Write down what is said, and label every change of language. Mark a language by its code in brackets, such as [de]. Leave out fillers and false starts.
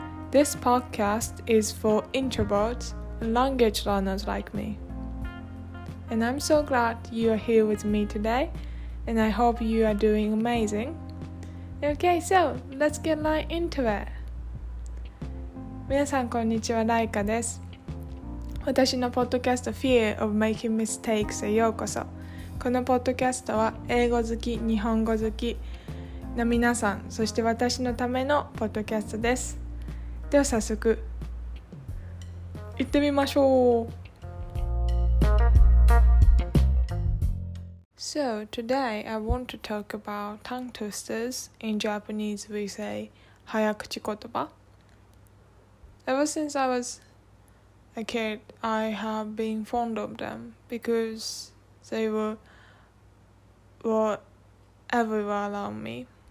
[en] This podcast is for introverts and language learners like me. And I'm so glad you are here with me today, and I hope you are doing amazing. Okay, so let's get right into it. [ja] 皆さんこんにちは、ライカです。私のポッドキャスト Fear of Making Mistakes へようこそ。このポッドキャストは英語好き、日本語好きの皆さん、そして私のためのポッドキャストです。では早速、行ってみましょう。 [en] So, today I want to talk about tongue twisters. In Japanese, we say 早口言葉。Ever since I was a kid, I have been fond of them because they were everywhere around me.